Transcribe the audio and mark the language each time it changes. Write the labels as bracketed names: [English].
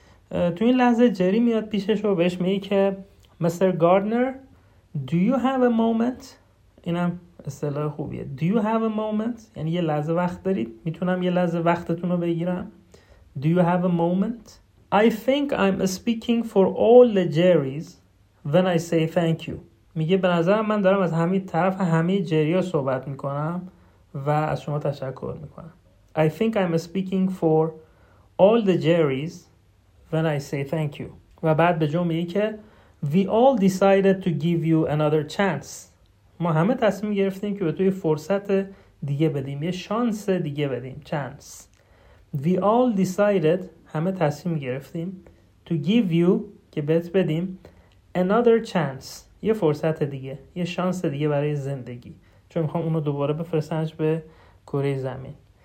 [Persian] تو این لحظه جری میاد پیشش و بهش میگه که مستر گاردنر، [English] do you have a moment؟ [Persian] اینم اصطلاح خوبیه، [English] do you have a moment؟ [Persian] یعنی یه لحظه وقت دارید؟ میتونم یه لحظه وقتتون رو بگیرم؟ [English] do you have a moment؟ I think I'm speaking for all the Jerry's when I say thank you. [Persian] میگه به نظرم من دارم از همین طرف همه جری ها صحبت میکنم و از شما تشکر میکنم. [English] I think I'm speaking for all the Jerry's when I say thank you. [Persian] و بعد به جو میگه که [English] we all decided to give you another chance. [Persian] ما همه تصمیم گرفتیم که به تو یه فرصت دیگه بدیم، یه شانس دیگه بدیم، chance. [English] We all decided، [Persian] همه تصمیم گرفتیم، [English] to give you، [Persian] که بهت بدیم، [English] another chance، [Persian] یه فرصت دیگه، یه شانس دیگه برای زندگی، چون میخوام اونو دوباره بفرستنش به کره زمین.